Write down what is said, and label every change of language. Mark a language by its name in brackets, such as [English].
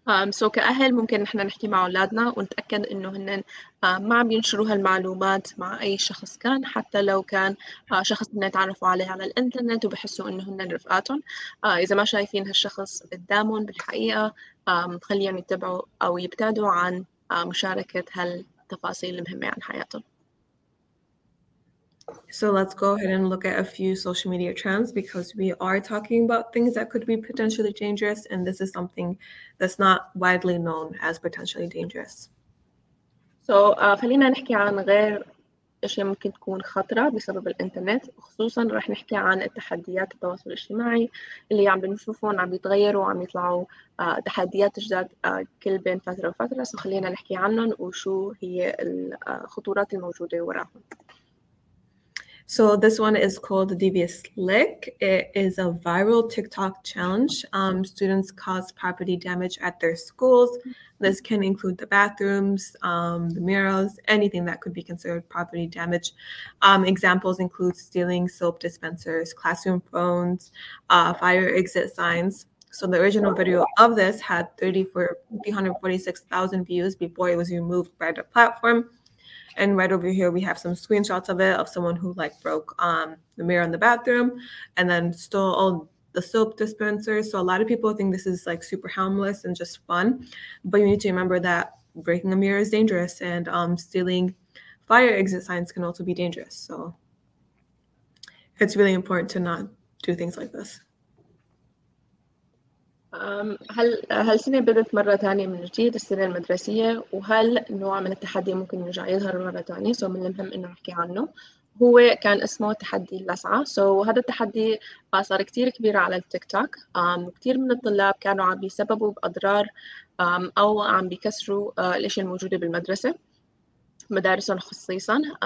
[Arabic] So كأهل ممكن نحن نحكي مع أولادنا ونتأكد إنه هن ما عم ينشروا هالمعلومات مع أي شخص كان، حتى لو كان شخص هن تعرفوا عليه على الإنترنت وبحسوا إنه هن رفقاتهم. إذا ما شايفين هالشخص قدامهم بالحقيقة، خليهم يتبعوا أو يبتعدوا عن مشاركة هالتفاصيل المهمة عن حياتهم. [English] So let's go ahead and look at a few social media trends, because we are talking about things that could be potentially dangerous, and this is something that's not widely known as potentially dangerous. [Arabic] So خلينا نحكي عن غير أشياء ممكن تكون خطرة بسبب الإنترنت، خصوصاً رح نحكي عن التحديات التواصل الاجتماعي اللي عم بنشوفهم عم يتغيروا وعم يطلعوا تحديات جداد كل بين فترة وفترة. so خلينا نحكي عنهم وشو هي الخطورات الموجودة وراهم. [English] So this one is called the Devious Lick. It is a viral TikTok challenge. Students cause property damage at their schools. This can include the bathrooms, the mirrors, anything that could be considered property damage. Examples include stealing soap dispensers, classroom phones, fire exit signs. So the original video of this had 346,000 views before it was removed by the platform. And right over here, we have some screenshots of it, of someone who like broke the mirror in the bathroom and then stole all the soap dispensers. So a lot of people think this is like super harmless and just fun. But you need to remember that breaking a mirror is dangerous, and stealing fire exit signs can also be dangerous. So it's really important to not do things like this. [Arabic] هل سنة بدت مرة تانية من جديد السنة المدرسية، وهل نوع من التحدي ممكن يرجع يظهر مرة تانية؟ سو من المهم إنه نحكي عنه. هو كان اسمه تحدي اللسعة. سو هذا التحدي صار كتير كبير على التيك توك، وكتير من الطلاب كانوا عم بيسببوا بأضرار أو عم بيكسروا الأشياء الموجودة بالمدرسة، مدارسهم خصيصاً.